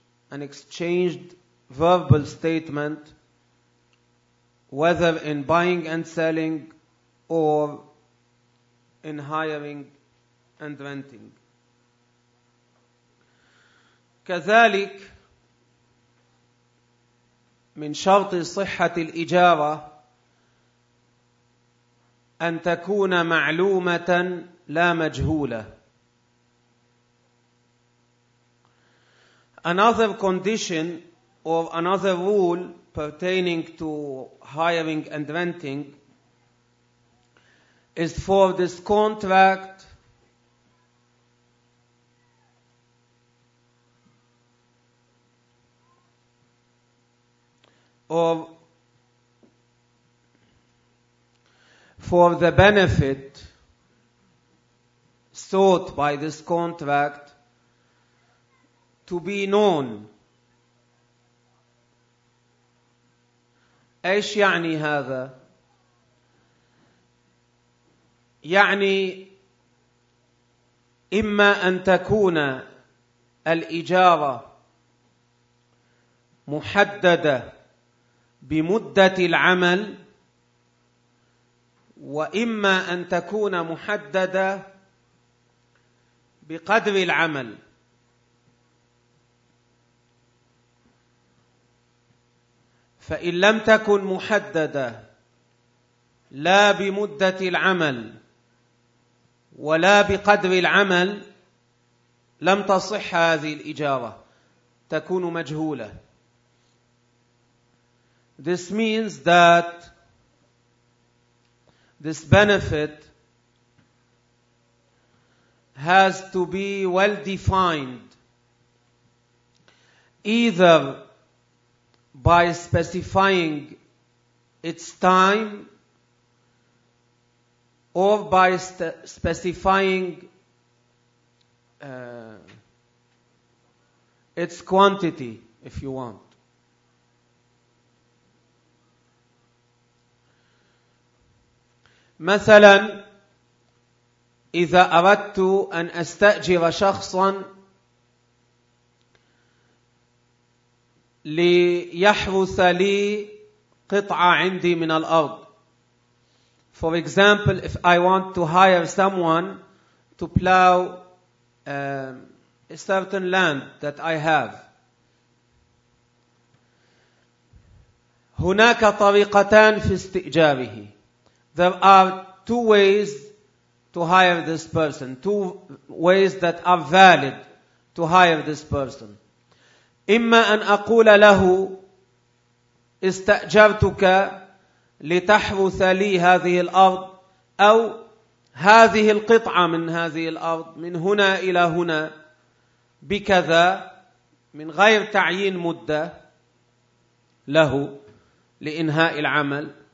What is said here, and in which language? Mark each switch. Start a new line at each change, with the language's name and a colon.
English: An exchanged verbal statement, whether in buying and selling or in hiring and renting.
Arabic: كذلك من شرط صحة الإجارة أن تكون معلومة لا مجهولة.
English: Another condition or another rule pertaining to hiring and renting is for this contract or for the benefit sought by this contract to be known.
Arabic: ايش يعني هذا؟ يعني اما ان تكون الإجارة محددة بمدة العمل، واما ان تكون محددة بقدر العمل. فإن لم تكن محددة لا بمدة العمل ولا بقدر العمل لم تصح هذه الإجارة، تكون مجهولة.
English: This means that this benefit has to be well defined, either by specifying its time or by specifying its quantity, if you want.
Arabic: مثلا إذا أردت أن أستأجر شخصا ليحرث لي قطعة عندي من الأرض.
English: For example, if I want to hire someone to plow a certain land that I have.
Arabic: هناك طريقتان في استئجاره.
English: There are two ways to hire this person, two ways that are valid to hire this person.
Arabic: إما أن أقول له استأجرتك لتحرث لي هذه الأرض أو هذه القطعة من هذه الأرض من هنا إلى هنا بكذا من غير تعيين مدة له لإنهاء العمل.